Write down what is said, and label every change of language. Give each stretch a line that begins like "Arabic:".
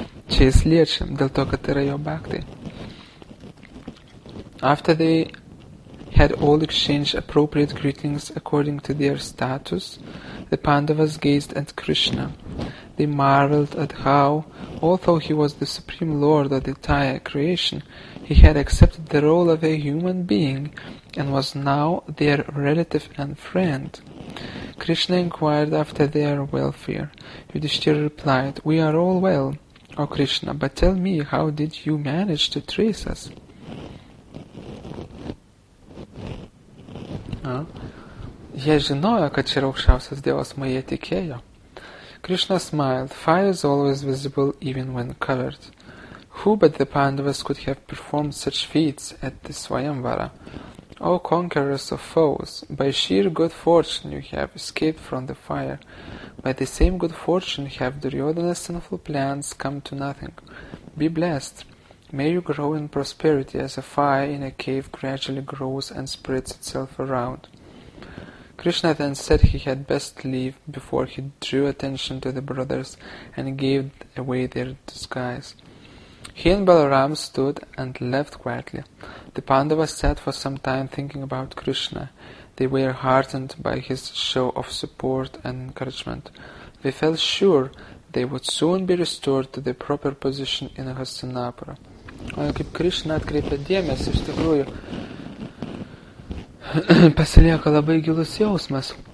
Lithuanian: Čia jis liečia, dėl to, kad yra jo baktai.
English: After they had all exchanged appropriate greetings according to their status, the Pandavas gazed at Krishna. They marveled at how, although he was the supreme lord of the entire creation, he had accepted the role of a human being and was now their relative and friend. Krishna inquired after their welfare. Yudhishthira replied, "We are all well, O Krishna, but tell me, how did you manage to trace us?"
Lithuanian: Jie žinojo, kad čia yra aukščiausias dievas, mai jie tikėjo.
English: Krishna smiled. Fire is always visible even when covered. Who but the Pandavas could have performed such feats at the Swayamvara? O conquerors of foes, by sheer good fortune you have escaped from the fire. By the same good fortune have Duryodhana's sinful plans come to nothing. Be blessed. May you grow in prosperity as a fire in a cave gradually grows and spreads itself around. Krishna then said he had best leave before he drew attention to the brothers and gave away their disguise. He and Balaram stood and left quietly. The Pandavas sat for some time thinking about Krishna. They were heartened by his show of support and encouragement. They felt sure they would soon be restored to their proper position in Hastinapura.
Lithuanian: Kaip Krishna atkreipė dėmesį, iš tikrųjų, pasilieka labai gilus jausmas.